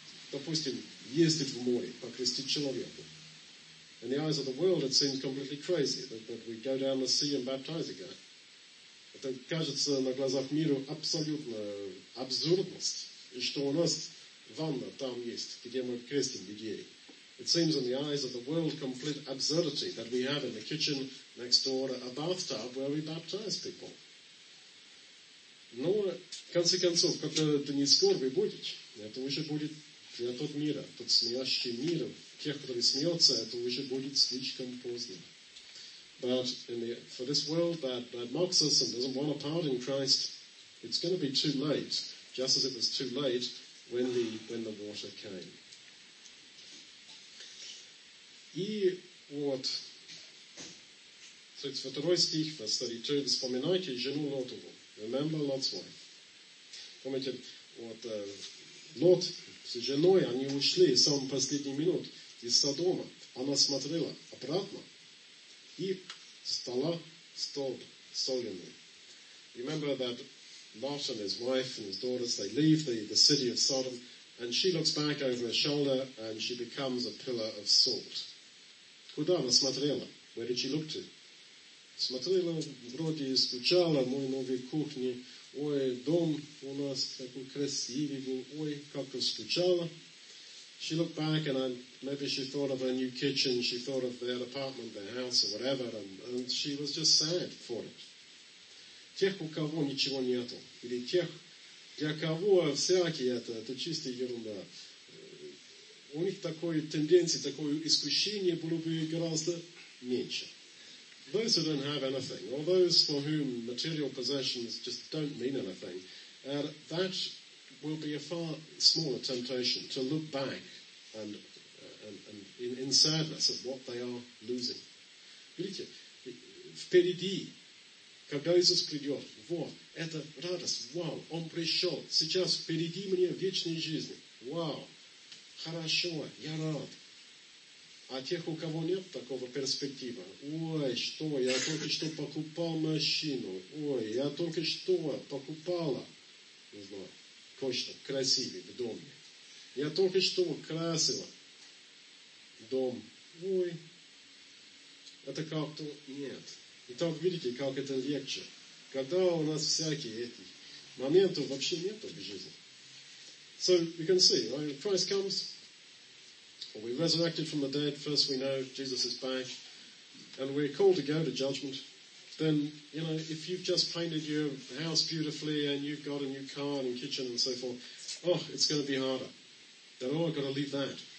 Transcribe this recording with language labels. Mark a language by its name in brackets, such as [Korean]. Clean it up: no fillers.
[Russian] Допустим, ездить в море, покрестить человека. [English] In the eyes of the world, it seems completely crazy that we go down the sea and baptize a guy. [Russian] Это кажется на глазах миру абсолютно абсурдность. и что у нас ванна там есть, где мы крестим людей. [English] It seems in the eyes of the world complete absurdity that we have in the kitchen next door a bathtub where we baptize people. [Russian] Но, в конце концов, когда это не скоро вы будете, это уже будет для тот мира, тот смеящий мир, тех, кто смеется, это уже будет слишком поздно. [English] But in the, for this world that mocks us and doesn't want a part in Christ, it's going to be too late, just as it was too late when the water came. [Russian] И вот, 32 стих, 32, вспоминайте жену Лотову. [English] Remember Lot's wife. [Russian] Помните, вот Лот с женой, они ушли в самый последний минут из Содома. Она смотрела обратно и стала столб соленый. [English] Remember that Lot and his wife and his daughters, they leave the city of Sodom, and she looks back over her shoulder and she becomes a pillar of salt. [Russian] Куда она смотрела? [English] Where did she look to? [Russian] Смотрела, вроде и скучала, мой новый кухни, ой, дом у нас такой красивый был, ой, как скучала. [English] She looked back and maybe she thought of her new kitchen, she thought of their apartment, their house or whatever, and she was just sad for it. [Russian] Тех, у кого ничего нету, или тех, для кого всякие это чистая ерунда. У них такой тенденции, такое искушение было бы гораздо меньше. [English] Those who don't have anything, or those for whom material possessions just don't mean anything, that will be a far smaller temptation to look back and in sadness at what they are losing. [Russian] Видите, впереди, когда Иисус придет, вот, это радость, вау, Он пришел, сейчас впереди мне вечная жизнь, вау. Хорошо, я рад. А тех, у кого нет такого перспектива, ой, что, я только что покупал машину, ой, я только что покупала, не знаю, кое-что красивое в доме. Я только что красила дом, ой, это как-то нет. Итак, видите, как это легче. Когда у нас всякие эти моменты вообще нет в жизни. [English] So, you can see, right? Christ comes, well, we're resurrected from the dead, first we know Jesus is back, and we're called to go to judgment. Then, you know, if you've just painted your house beautifully, and you've got a new car and kitchen and so forth, oh, it's going to be harder. Then, oh, I've got to leave that.